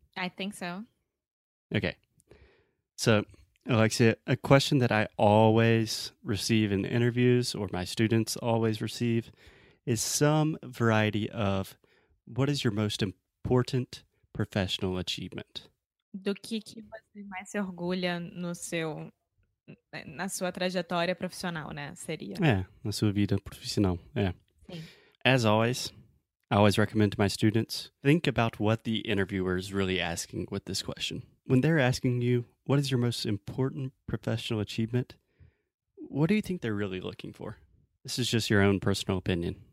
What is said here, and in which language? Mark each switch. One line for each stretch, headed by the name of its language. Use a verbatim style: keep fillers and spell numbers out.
English: I think so. Okay. So, Alexia, a question that I always receive in interviews, or my students always receive, is some variety of what is your most important professional achievement?
Portuguese: Do que, que você mais se orgulha no seu, na sua trajetória profissional, né? Seria. É, na sua vida profissional. É. Sim.
English: As always, I always recommend to my students think about what the interviewer is really asking with this question. When they're asking you, what is your most important professional achievement? What do you think they're really looking for? This is just your own personal opinion.